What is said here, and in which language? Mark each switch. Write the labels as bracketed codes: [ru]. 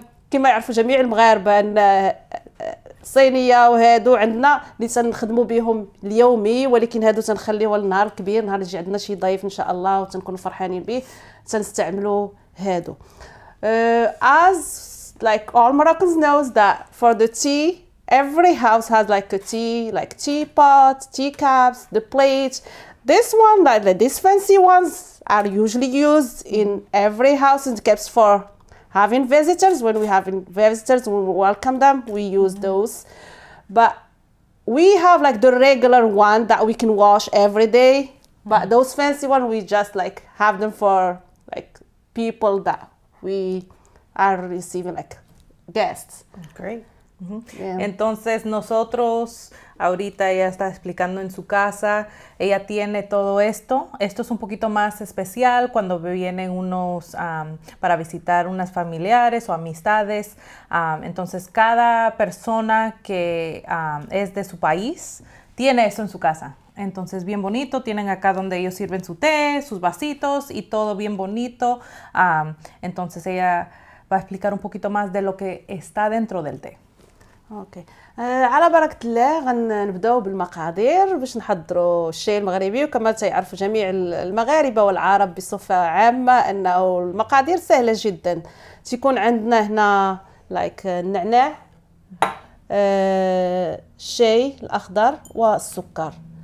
[ar] كما يعرفوا جميع المغاربة أن الصينية وهادو عندنا اللي تنخدموا بهم اليومي، ولكن هادو تنخليه للنهار الكبير، نهار يجي عندنا شي ضيف إن شاء الله وتنكونوا فرحانين به، تنستعملوا هادو. [en] As all Moroccans knows that for the tea, every house has a tea, teapot, teacups, the plate. This one, these fancy ones are usually used in every house and caps for having visitors. When we have visitors, when we welcome them, we use those. But we have the regular one that we can wash every day. But those fancy ones, we just have them for people that we are receiving guests. Great. [es] Entonces nosotros, ahorita ella está explicando en su casa, ella tiene todo esto. Esto es un poquito más especial cuando vienen unos para visitar unas familiares o amistades. Entonces cada persona que es de su país tiene esto en su casa. Entonces bien bonito, tienen acá donde ellos sirven su té, sus vasitos y todo bien bonito. Entonces ella va a explicar un poquito más de lo que está dentro del té. [ar] اوكي على بركه الله غنبداو بالمقادير باش نحضروا الشاي المغربي. وكما تعرف جميع المغاربه والعرب بصفه عامه انه المقادير سهله جدا. تيكون عندنا هنا لايك النعناع الشاي الاخضر والسكر.